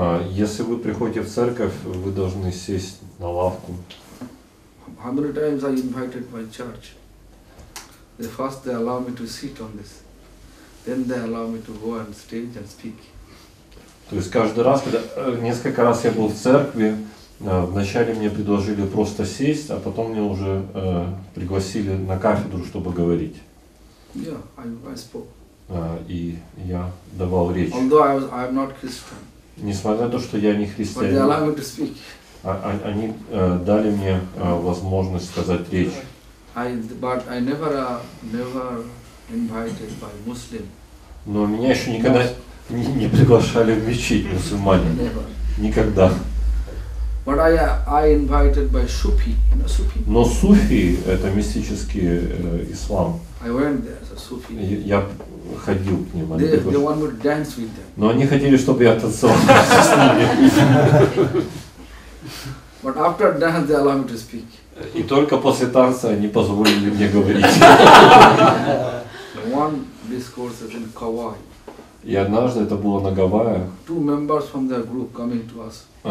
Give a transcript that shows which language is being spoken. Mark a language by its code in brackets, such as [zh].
[ru] Если вы приходите в церковь, вы должны сесть на лавку. [en] How many times I invited my church? They first they allow me to sit on this, then they allow me to go on stage and speak. [ru] То есть каждый раз, когда несколько раз я был в церкви, вначале мне предложили просто сесть, а потом мне уже пригласили на кафедру, чтобы говорить. [en] Yeah, I spoke. [ru] И я давал речь. [en] Although I am not Christian. [ru] Несмотря на то, что я не христианин. [en] But they allow me to speak. [ru] Они дали мне возможность сказать речь. [en] But I never invited by Muslim. [ru] Но меня еще никогда не приглашали в мечеть мусульманин. [en] Never. [ru] Никогда. [en] But I invited by Sufi. You know, Sufi. [ru] Но суфи это мистический ислам. [en] I went there as a Sufi. [ru] Я ходил к ним. [en] They want me to dance with them. [ru] Но они хотели, чтобы я танцевал с ними. [en] But after dance they allow me to speak. [ru] И только после танца они позволили мне говорить. [en] One discourse is in Kauai. [ru] И однажды это было на Гавайях. [en] Two members from their group coming to us.